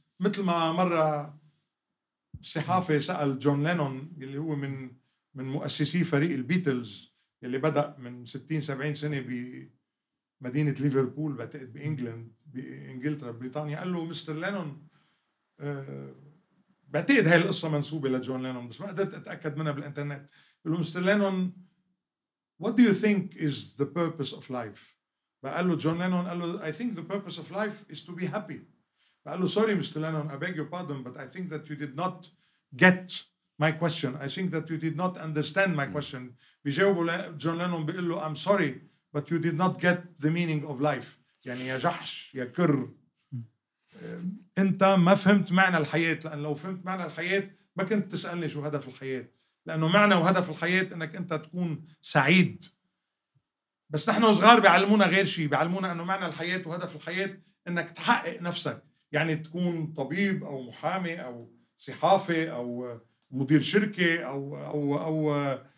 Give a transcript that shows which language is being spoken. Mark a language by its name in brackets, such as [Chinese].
[Arabic] مثل ما مرة صحافي سأل جون لينون اللي هو من مؤسسي فريق البيتلز اللي بدأ من 60-70 سنة بمدينة ليفربول بعتقد بإنجلند بإنجلترا بريطانيا، قال له مستر لينون، بعتقد هاي القصة منسوبة لجون لينون بس ما قدرت أتأكد منها بالإنترنت، قال له مستر لينون [English] what do you think is the purpose of life؟ [Arabic] بقال له جون لينون قال له [English] I think the purpose of life is to be happy. [Arabic] بقال له [English] sorry Mr. Lennon, I beg your pardon, but I think that you did not get my question. I think that you did not understand my question. [Arabic] بيجاوب جون لينون بيقول له [English] I'm sorry, but you did not get the meaning of life. [Arabic] يعني يا جحش يا كر انت ما فهمت معنى الحياة, لأن لو فهمت معنى الحياة ما كنت تسألني شو هدف الحياة, لأنه معنى وهدف الحياة أنك أنت تكون سعيد. بس نحن صغار بيعلمونا غير شيء, بيعلمونا أنه معنى الحياة وهدف الحياة أنك تحقق نفسك, يعني تكون طبيب أو محامي أو صحافي أو مدير شركة أو أو أو